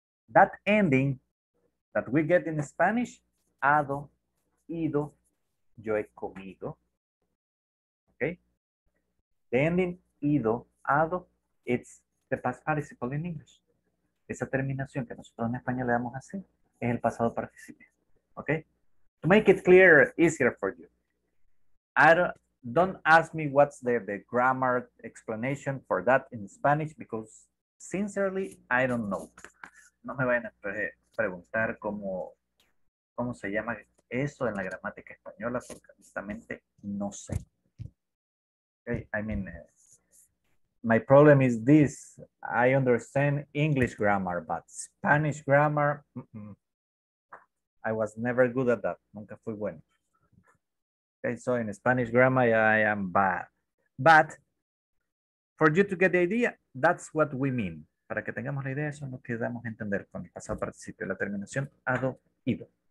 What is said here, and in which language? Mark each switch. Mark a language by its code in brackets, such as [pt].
[en] that ending that we get in Spanish, ado, ido, [es] yo he comido. [en] Okay? The ending ido, ado, it's the past participle in English. [es] Esa terminación que nosotros en español le damos así es el pasado participio. [en] Okay? To make it clearer, easier for you. Don't ask me what's the grammar explanation for that in Spanish because, sincerely, I don't know. [es] No me vayan a preguntar cómo se llama eso en la gramática española porque honestamente no sé. [en] Okay, I mean, my problem is this. I understand English grammar, but Spanish grammar, I was never good at that. [es] Nunca fui bueno. [en] Okay, so in Spanish grammar, I am bad. But for you to get the idea, that's what we mean. [es] Para que tengamos la idea, eso es lo que damos a entender con el pasado participio, la terminación ado, ido.